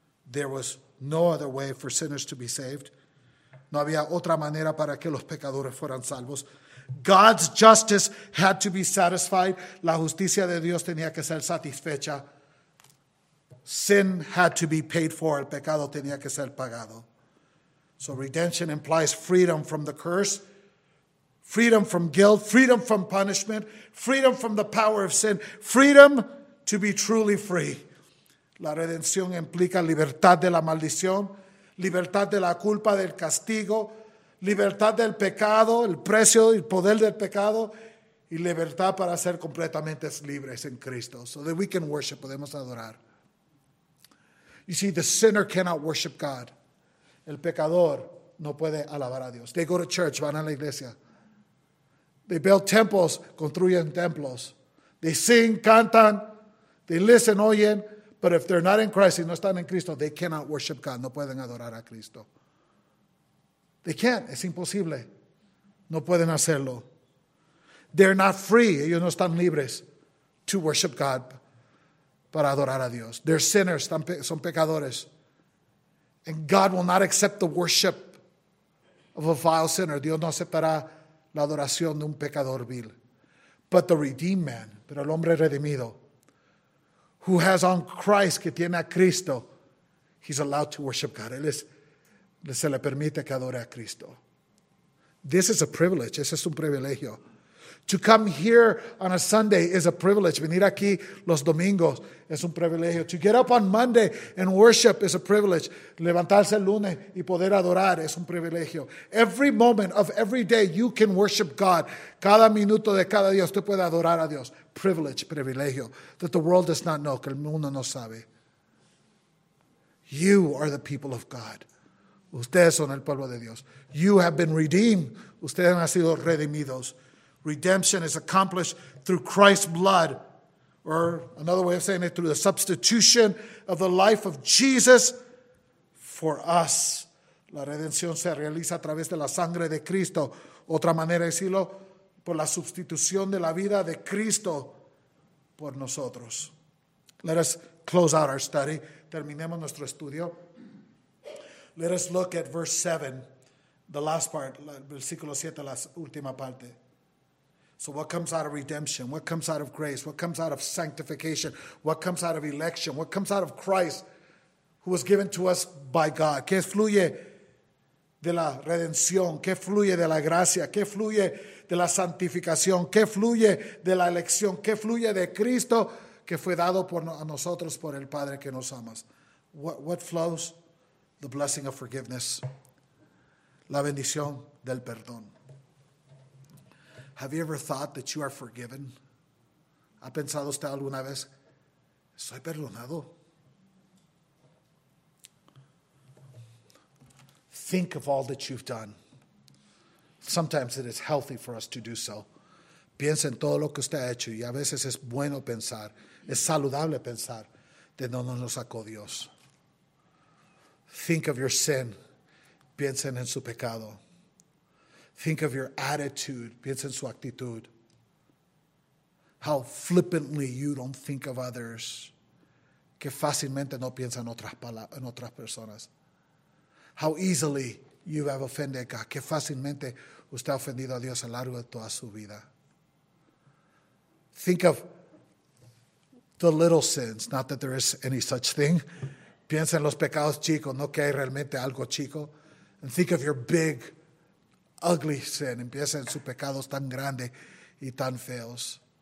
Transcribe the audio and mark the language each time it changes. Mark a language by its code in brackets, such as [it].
[en] There was no other way for sinners to be saved. [es] No había otra manera para que los pecadores fueran salvos. [en] God's justice had to be satisfied. [es] La justicia de Dios tenía que ser satisfecha. [en] Sin had to be paid for. [es] El pecado tenía que ser pagado. [en] So redemption implies freedom from the curse, freedom from guilt, freedom from punishment, freedom from the power of sin, freedom to be truly free. [es] La redención implica libertad de la maldición, libertad de la culpa, del castigo, libertad del pecado, el precio y el poder del pecado, y libertad para ser completamente libres en Cristo. [en] So that we can worship, [es] podemos adorar. [en] You see, the sinner cannot worship God. [es] El pecador no puede alabar a Dios. [en] They go to church, [es] van a la iglesia. [en] They build temples, [es] construyen templos. [en] They sing, [es] cantan, [en] they listen, [es] oyen. [en] But if they're not in Christ, [es] si no están en Cristo, [en] they cannot worship God. [es] No pueden adorar a Cristo. [en] They can't. [es] Es imposible. No pueden hacerlo. [en] They're not free. [es] Ellos no están libres [en] to worship God, [es] para adorar a Dios. [en] They're sinners. [es] Son pecadores. [en] And God will not accept the worship of a vile sinner. [es] Dios no aceptará la adoración de un pecador vil. [en] But the redeemed man, [es] pero el hombre redimido, [en] who has on Christ, [es] que tiene a Cristo, [en] he's allowed to worship God. [es] Él se le permite que adore a Cristo. [en] This is a privilege. [es] Ese es un privilegio. [en] To come here on a Sunday is a privilege. [es] Venir aquí los domingos es un privilegio. [en] To get up on Monday and worship is a privilege. [es] Levantarse el lunes y poder adorar es un privilegio. [en] Every moment of every day you can worship God. [es] Cada minuto de cada día usted puede adorar a Dios. [en] Privilege, [es] privilegio. [en] That the world does not know, [es] que el mundo no sabe. [en] You are the people of God. [es] Ustedes son el pueblo de Dios. [en] You have been redeemed. [es] Ustedes han sido redimidos. [en] Redemption is accomplished through Christ's blood, or another way of saying it, through the substitution of the life of Jesus for us. [es] La redención se realiza a través de la sangre de Cristo. Otra manera de decirlo, por la sustitución de la vida de Cristo por nosotros. [en] Let us close out our study. [es] Terminemos nuestro estudio. [en] Let us look at verse 7, the last part, [es] versículo 7, la última parte. [en] So what comes out of redemption? What comes out of grace? What comes out of sanctification? What comes out of election? What comes out of Christ who was given to us by God? [es] ¿Qué fluye de la redención? ¿Qué fluye de la gracia? ¿Qué fluye de la santificación? ¿Qué fluye de la elección? ¿Qué fluye de Cristo que fue dado por a nosotros por el Padre que nos amas? [en] What flows? The blessing of forgiveness. [es] La bendición del perdón. [en] Have you ever thought that you are forgiven? [es] ¿Ha pensado usted alguna vez, soy perdonado? [en] Think of all that you've done. Sometimes it is healthy for us to do so. [es] Piensa en todo lo que usted ha hecho y a veces es bueno pensar, es saludable pensar de dónde nos sacó Dios. [en] Think of your sin. [es] Piensa en su pecado. [en] Think of your attitude. [es] Piensa en su actitud. [en] How flippantly you don't think of others. [es] Que fácilmente no piensa en otras personas. [en] How easily you have offended God. [es] Que fácilmente usted ha ofendido a Dios a lo largo de toda su vida. [en] Think of the little sins. Not that there is any such thing. [es] Piensa en los pecados chicos. No que hay realmente algo chico. [en] And think of your big ugly sin. [es] Empieza en sus pecados tan grandes y tan feos.